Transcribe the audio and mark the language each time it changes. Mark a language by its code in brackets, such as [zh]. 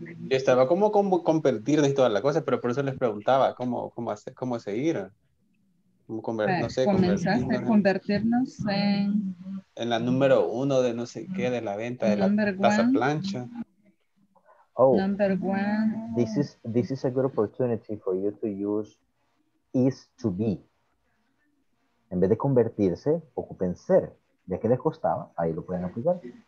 [es] Estaba como convertir de todas las cosas, pero por eso les preguntaba cómo hacer, cómo seguir. Comenzaste a convertirnos en... En la número uno de no sé qué, de la venta de la plaza plancha. Oh, [en] number one. This is a good opportunity for you to use is to be. [es] En vez de convertirse, ocupen ser. Ya que les costaba, ahí lo pueden aplicar.